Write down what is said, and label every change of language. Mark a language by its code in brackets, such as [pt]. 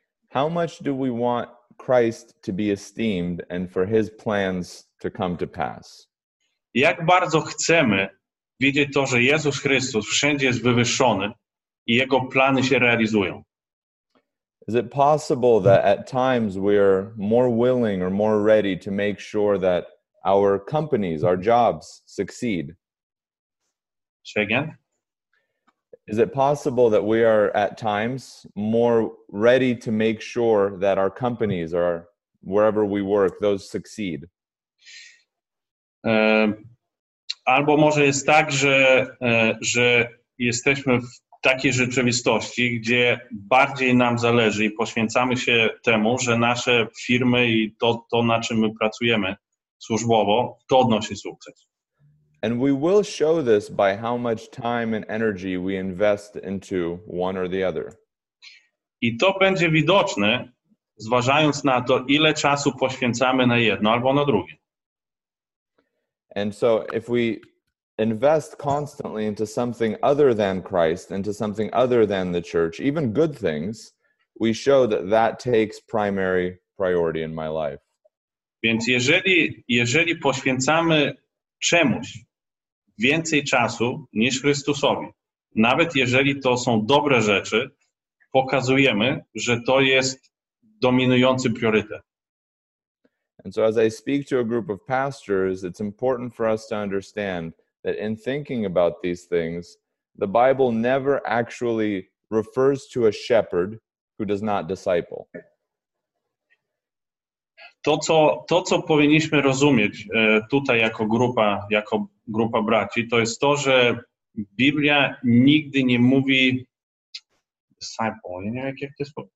[en] How much do we want Christ to be esteemed and for his plans to come to pass? [pl] Jak bardzo chcemy widzieć to, że Jezus Chrystus wszędzie jest wywyższony i jego plany się realizują? [en] Is it possible that at times we're more willing or more ready to make sure that our companies, our jobs succeed? Say again. Is it possible that we are at times more ready to make sure that our companies or wherever we work, those succeed? [pl] Albo może jest tak, że jesteśmy w takiej rzeczywistości, gdzie bardziej nam zależy i poświęcamy się temu, że nasze firmy i to na czym my pracujemy służbowo, to odnosi sukces. [en] And we will show this by how much time and energy we invest into one or the other. [pl] I to będzie widoczne, zważając na to, ile czasu poświęcamy na jedno albo na drugie. [en] And so if we invest constantly into something other than Christ, into something other than the church, even good things, we show that that takes primary priority in my life. [pl] Więc jeżeli poświęcamy czemuś więcej czasu niż Chrystusowi, nawet jeżeli to są dobre rzeczy, pokazujemy, że to jest dominujący priorytet. [en] And so as I speak to a group of pastors, it's important for us to understand that in thinking about these things, the Bible never actually refers to a shepherd who does not disciple. [pl] To, co powinniśmy rozumieć tutaj jako grupa braci, to jest to, że Biblia nigdy nie mówi disciple, nie wiem, jak to jest.